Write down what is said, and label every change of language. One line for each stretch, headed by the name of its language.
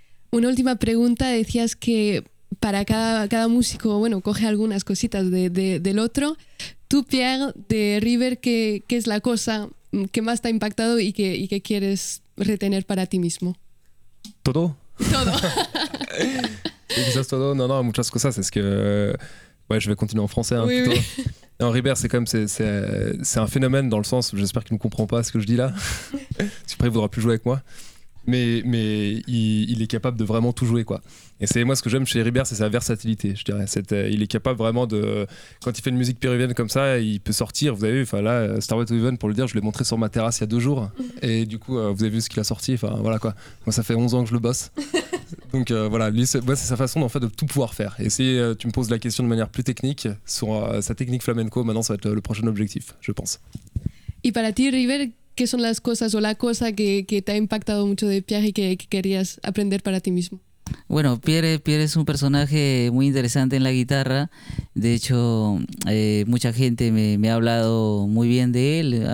Spanish: Una última pregunta, decías que para cada músico, bueno, coge algunas cositas del otro. Tú, Pierre, de River, ¿qué es la cosa que más te ha impactado y que quieres retener para ti mismo? ¿Todo? ¿Todo? ¿Quizás todo? No, muchas cosas. Es que,
French: ouais, je vais continuer en français. Hein, oui, plutôt. Oui. Non, River, c'est quand même c'est un phénomène dans le sens, j'espère qu'il ne comprend pas ce que je dis là. Après, il ne voudra plus jouer avec moi. Mais il est capable de vraiment tout jouer, quoi. Et c'est moi ce que j'aime chez Ribert, c'est sa versatilité, je dirais. Il est capable vraiment de... Quand il fait une musique péruvienne comme ça, il peut sortir. Vous avez vu, enfin, là, Starway to Heaven, pour le dire, je l'ai montré sur ma terrasse il y a 2 jours. Et du coup, vous avez vu ce qu'il a sorti. Enfin, voilà, quoi. Moi, ça fait 11 ans que je le bosse. Donc voilà, lui, c'est sa façon en fait, de tout pouvoir faire. Et si tu me poses la question de manière plus technique, sur sa technique flamenco, maintenant, ça va être le prochain objectif, je pense. Et pour toi,
Spanish: Ribert, ¿qué son las cosas o la cosa que te ha impactado mucho de Pierre y que querías aprender para ti mismo? Bueno, Pierre es un personaje muy interesante en la guitarra. De hecho, mucha gente me ha hablado muy bien de él.